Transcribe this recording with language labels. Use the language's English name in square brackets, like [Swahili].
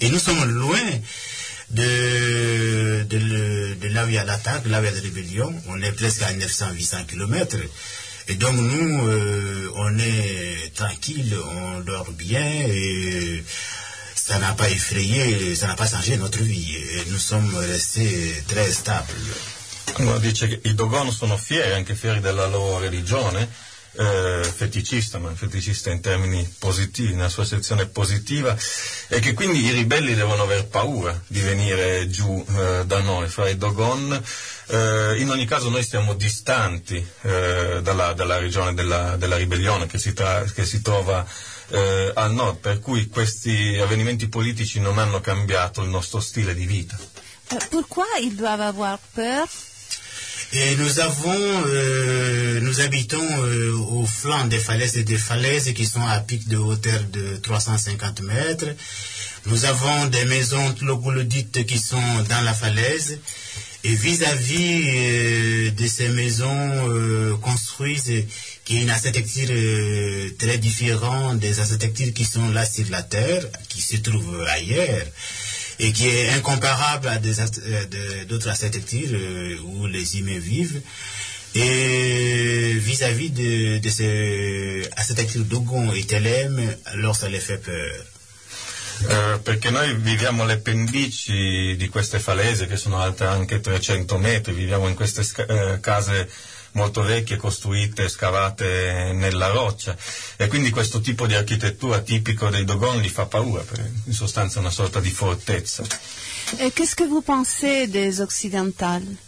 [French] Et nous sommes loin de là où il y a l'attaque, là où il y a la rébellion. On est presque à 900-800 kilomètres. Et donc nous, on est tranquille, on dort bien, et ça n'a pas effrayé, ça n'a pas changé notre vie. Et nous sommes restés très stables. [Italian] Allora, dice che i Dogon sono fieri, anche fieri della loro religione, feticista, ma feticista in termini positivi, nella sua sezione positiva, e che quindi i ribelli devono aver paura di venire giù da noi, fra i Dogon. In ogni caso noi siamo distanti dalla regione della ribellione che si trova al nord, per cui questi avvenimenti politici non hanno cambiato il nostro stile di vita. [French] Pourquoi il doit avoir peur? Et nous habitons au flanc des falaises et des falaises qui sont à pic de hauteur de 350 mètres. Nous avons des maisons troglodytes qui sont dans la falaise. Et vis-à-vis de ces maisons construites, qui est une architecture très différente des architectures qui sont là sur la terre, qui se trouvent ailleurs, et qui est incomparable à d'autres architectures où les humains vivent. Et vis-à-vis de ces architectures Dogon et Telem, alors ça les fait peur. [Italian] Perché noi viviamo le pendici di queste falese, che sono alte anche 300 metri, viviamo in queste case molto vecchie, costruite, scavate nella roccia, e quindi questo tipo di architettura tipico dei Dogon gli fa paura, perché in sostanza è una sorta di fortezza. [French] E qu'est-ce que vous pensez des occidentaux?